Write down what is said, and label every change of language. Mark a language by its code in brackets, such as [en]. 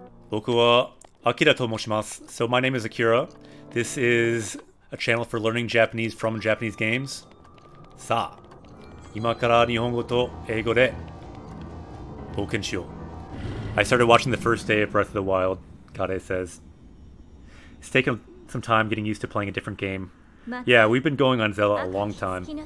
[ja] 僕はアキラと申します。 [en] So my name is Akira. This is a channel for learning Japanese from Japanese games. [ja] さあ、今から日本語と英語で冒険しよう。 [en] I started watching the first day of Breath of the Wild, Kare says. It's taken some time getting used to playing a different game. Yeah, we've been going on Zelda a long time.